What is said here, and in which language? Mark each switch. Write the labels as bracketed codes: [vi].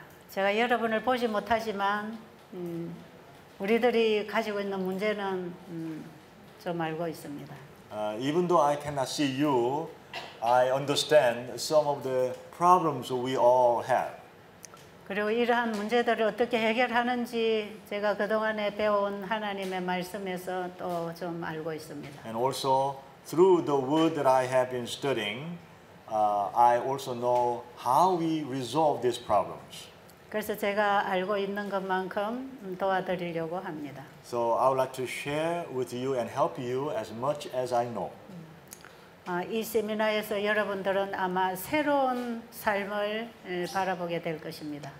[ko] 제가 여러분을 보지 못하지만 우리들이 가지고 있는 문제는 좀 알고 있습니다. [en] Even though I cannot see you, I understand some of the problems we all have. [ko] 그리고 이러한 문제들을 어떻게 해결하는지 제가 그동안에 배운 하나님의 말씀에서 또 좀 알고 있습니다. [en] And also through the word that I have been studying, I also know how we resolve these problems. [ko] 그래서 제가 알고 있는 것만큼 도와드리려고 합니다. [en] So I would like to share with you and help you as much as I know. [ko] 이 세미나에서 여러분들은 아마 새로운 삶을 바라보게 될 것입니다.